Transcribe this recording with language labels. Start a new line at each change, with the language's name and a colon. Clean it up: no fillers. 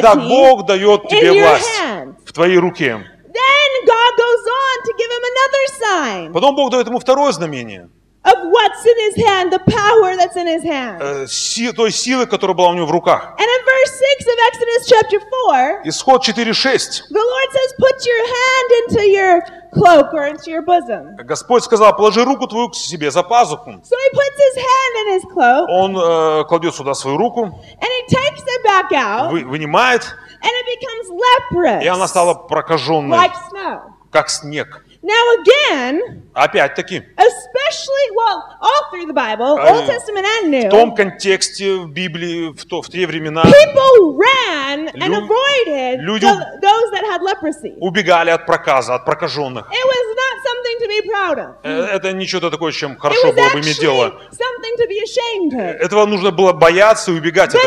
Russian: Итак, Бог дает тебе власть в твоей руке.
English: Then God goes on to give him another sign.
Russian: Потом Бог дает ему второе знамение.
English: Of what's in his hand, the power that's in his hand.
Russian: Той силы, которая была у него в руках.
English: And in verse 6 of Exodus chapter 4,
Russian: Исход 4:6,
English: the Lord says, put your hand into your cloak or into your bosom.
Russian: Господь сказал, положи руку твою к себе за пазуху.
English: So he puts his hand in his cloak.
Russian: Он кладет сюда свою руку.
English: And he takes it back out.
Russian: Вынимает.
English: And it becomes leprous.
Russian: И она стала прокаженной.
English: Like snow.
Russian: Как снег.
English: Now again,
Russian: опять-таки,
English: especially, well, all through the Bible, Old Testament and New,
Russian: в том контексте в Библии, в те времена,
English: people ran and avoided those that had leprosy.
Russian: Убегали от проказа, от прокаженных.
English: It was not something to be proud of.
Russian: Это не что-то такое, чем хорошо было бы иметь дело.
English: It was something to be ashamed of.
Russian: Этого нужно было бояться и убегать